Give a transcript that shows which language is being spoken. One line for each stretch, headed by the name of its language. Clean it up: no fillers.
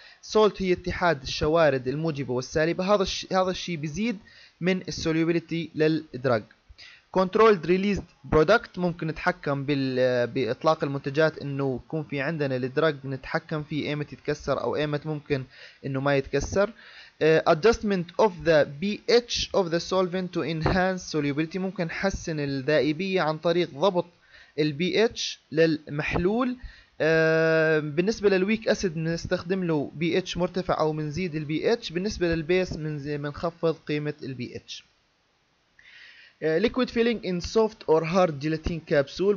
Arabic: سولت هي اتحاد الشوارد الموجبه والسالبه هذا الشيء بيزيد من السوليبيليتي للدرج.
English: Controlled released product
Arabic: ممكن نتحكم بإطلاق المنتجات إنه يكون في عندنا الدرج نتحكم فيه إيمت يتكسر أو إيمت ممكن إنه ما يتكسر.
English: adjustment of the pH of the solvent to enhance solubility.
Arabic: ممكن نحسن الذائبية عن طريق ضبط ال pH للمحلول. بالنسبة للويك أسيد نستخدم له pH مرتفع أو منزيد ال pH. بالنسبة للبيس منخفض قيمة ال pH.
English: Liquid filling in soft or hard gelatin capsule.